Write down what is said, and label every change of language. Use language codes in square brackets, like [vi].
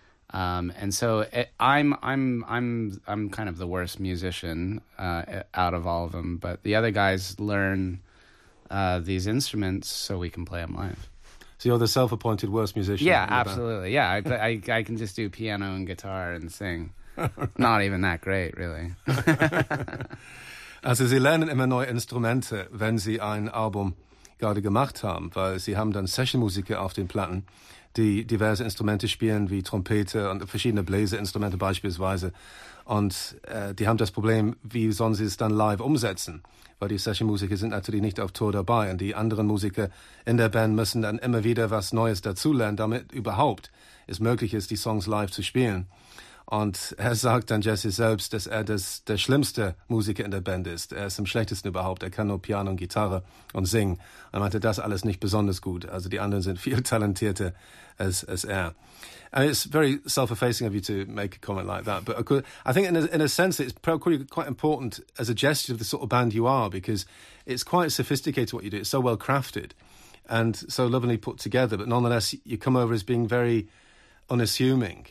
[en] And so I'm kind of the worst musician out of all of them. But the other guys learn these instruments so we can play them live. So you're the self-appointed worst musician. Yeah, absolutely. Yeah, I can just do piano and guitar and sing. Not even that great, really. [de] Also sie lernen immer neue Instrumente, wenn sie ein Album gerade gemacht haben, weil sie haben dann Session-Musiker auf den Platten, die diverse Instrumente spielen, wie Trompete und verschiedene Bläserinstrumente beispielsweise. Und die haben das Problem, wie sollen sie es dann live umsetzen? Weil die Session-Musiker sind natürlich nicht auf Tour dabei und die anderen Musiker in der Band müssen dann immer wieder was Neues dazulernen, damit überhaupt es möglich ist, die Songs live zu spielen. Und er sagt dann Jesse selbst, dass er der schlimmste Musiker in der Band ist. Er ist am schlechtesten überhaupt. Er kann nur Piano und Gitarre und singen. Er meinte, das alles nicht besonders gut. Also die anderen sind viel talentierter als er. [en] And it's very self-effacing of you to make a comment like that. But I think in a sense, it's probably quite important as a gesture of the sort of band you are, because it's quite sophisticated what you do. It's so well crafted and so lovingly put together. But nonetheless, you come over as being very unassuming.